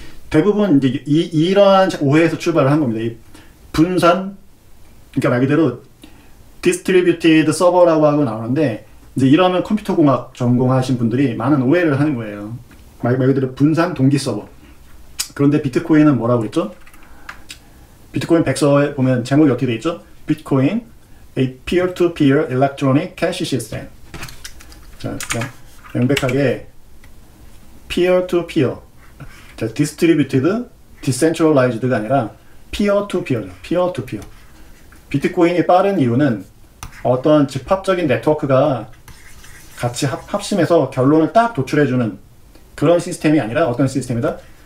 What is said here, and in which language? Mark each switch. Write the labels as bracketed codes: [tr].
[ko] 대부분 이제 이러한 오해에서 출발을 한 겁니다. 이 분산, 그러니까 말 그대로 디스트리뷰티드 서버라고 하고 나오는데 이제 이러면 컴퓨터 공학 전공하신 분들이 많은 오해를 하는 거예요. 말 그대로 분산 동기 서버. 그런데 비트코인은 뭐라고 그랬죠? 비트코인 백서에 보면 제목이 어떻게 돼 있죠? [en] 비트코인, a peer-to-peer electronic cash system. [ko] 자, 그냥 명백하게 peer-to-peer, 자, distributed, decentralized가 아니라 peer-to-peer죠. [en] peer-to-peer. [ko] 비트코인이 빠른 이유는 어떤 집합적인 네트워크가 같이 합심해서 결론을 딱 도출해주는 그런 시스템이 아니라 어떤 시스템이다?